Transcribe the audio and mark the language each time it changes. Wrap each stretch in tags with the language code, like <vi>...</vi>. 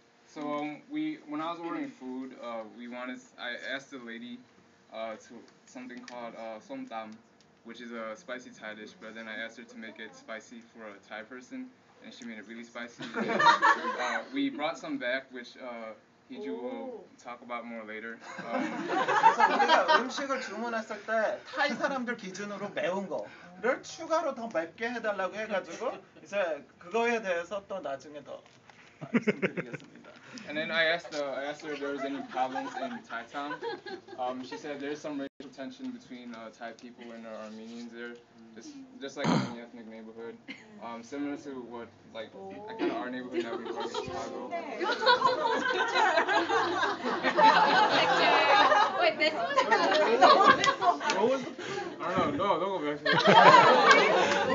<en>So when I was ordering food, I asked the lady to something called som tam, which is a spicy Thai dish. But then I asked her to make it spicy for a Thai person. And she made it really spicy. We brought some back, which Heju will talk about more later.</en> <ko>그래서 우리가 음식을 주문했을 때 타이 사람들 기준으로 매운 거, 를 추가로 더 맵게 해달라고 해가지고 이제 그거에 대해서 또 나중에 더 말씀드리겠습니다.</ko> <en>And then I asked her if there was any problems in Taitung. She said there's some racial tension between Thai people and Armenians there, just like in the ethnic neighborhood. Similar to what like kind of our neighborhood now we're in Chicago.</en>